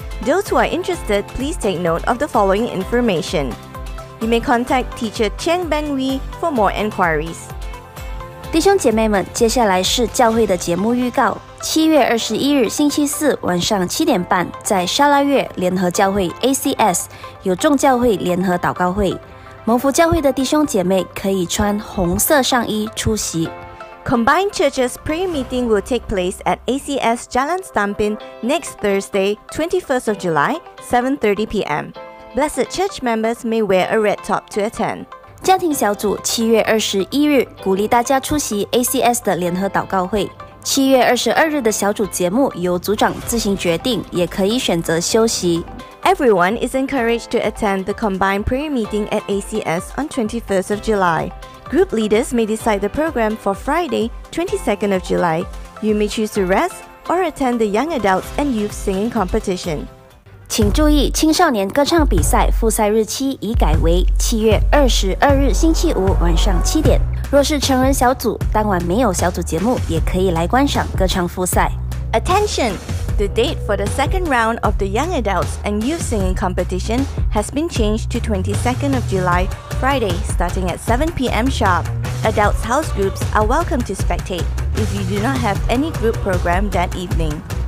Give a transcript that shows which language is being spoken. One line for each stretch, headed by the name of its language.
English: Those who are interested, please take note of the following information. You may contact teacher Chiang Ben Wee for more inquiries.
Chinese: 弟兄姐妹们，接下来是教会的节目预告。7月21日星期四晚上7点半，在沙拉月联合教会 ACS 有众教会联合祷告会。蒙福教会的弟兄姐妹可以穿红色上衣出席。
English: Combined Churches Prayer Meeting will take place at ACS Jalan Stampin next Thursday, 21st of July, 7:30 p.m. Blessed Church members may wear a red top to attend.
Chinese: 家庭小组7月21日鼓励大家出席 ACS 的联合祷告会。 7月22日的小组节目由组长自行决定，也可以选择休息。
English: Everyone is encouraged to attend the combined prayer meeting at ACS on 21st of July. Group leaders may decide the program for Friday, 22nd of July, You may choose to rest or attend the Young Adults and Youth Singing Competition.
Chinese: 请注意，青少年歌唱比赛复赛日期已改为7月22日星期五晚上7点。若是成人小组，当晚没有小组节目，也可以来观赏歌唱复赛。
English: Attention! The date for the second round of the Young Adults and Youth Singing Competition has been changed to 22nd of July, Friday, starting at 7 p.m. sharp. Adults house groups are welcome to spectate if you do not have any group program that evening.